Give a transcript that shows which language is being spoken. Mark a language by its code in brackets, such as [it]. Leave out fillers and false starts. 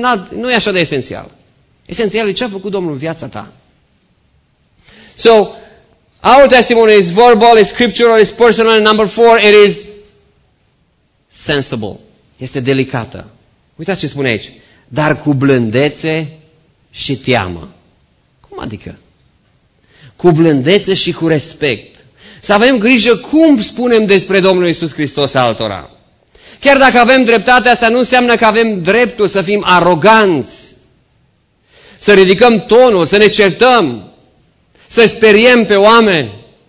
[ro] Nu e așa de esențial. Esențial e ce a făcut Domnul în viața ta. [en] So, our testimony is verbal, is scriptural, is personal, and number 4, it is sensible. [ro] Este delicată. Uitați ce spune aici. Dar cu blândețe și teamă. Cum adică? Cu blândețe și cu respect. Să avem grijă cum spunem despre Domnul Iisus Hristos altora. Chiar dacă avem dreptate, asta nu înseamnă că avem dreptul să fim aroganți, să ridicăm tonul, să ne certăm, să speriem pe oameni.